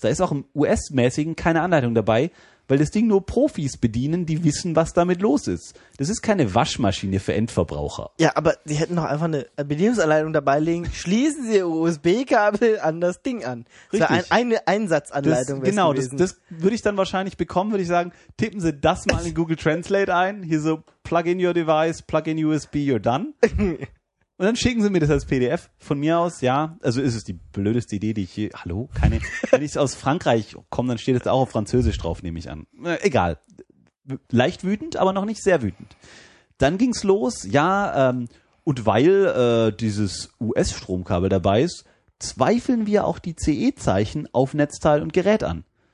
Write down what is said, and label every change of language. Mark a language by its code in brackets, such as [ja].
[de] Da ist auch im US-mäßigen keine Anleitung dabei, weil das Ding nur Profis bedienen, die wissen, was damit los ist. Das ist keine Waschmaschine für Endverbraucher. Ja, aber sie hätten doch einfach eine Bedienungsanleitung dabei legen. Schließen Sie Ihr USB-Kabel an das Ding an. Richtig. Also eine Einsatzanleitung. Das würde ich dann wahrscheinlich bekommen, würde ich sagen, tippen Sie das mal in Google Translate ein. Hier so, [en] plug in your device, plug in USB, you're done. [de] Und dann schicken sie mir das als PDF von mir aus, ja. Also ist es die blödeste Idee, die ich hier, hallo, keine, wenn ich aus Frankreich komme, dann steht es auch auf Französisch drauf, nehme ich an. Egal. Leicht wütend, aber noch nicht sehr wütend. Dann ging's los, ja, und weil dieses US-Stromkabel dabei ist, zweifeln wir auch die CE-Zeichen auf Netzteil und Gerät an.